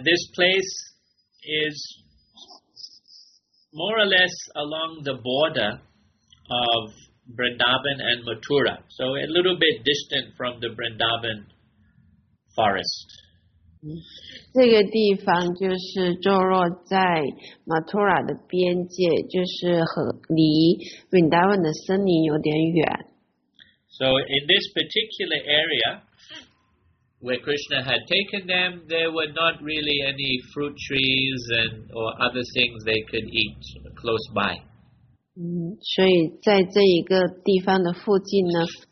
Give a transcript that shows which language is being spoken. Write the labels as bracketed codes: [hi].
[en] this place is more or less along the border of Vrindavan and Mathura. So a little bit distant from the Vrindavan forest. [zh] 这个地方就是坐落在马托拉的边界，就是和离文达文的森林有点远。 [en] So in this particular area where Krishna had taken them, there were not really any fruit trees and or other things they could eat close by. [zh] 所以在这一个地方的附近呢。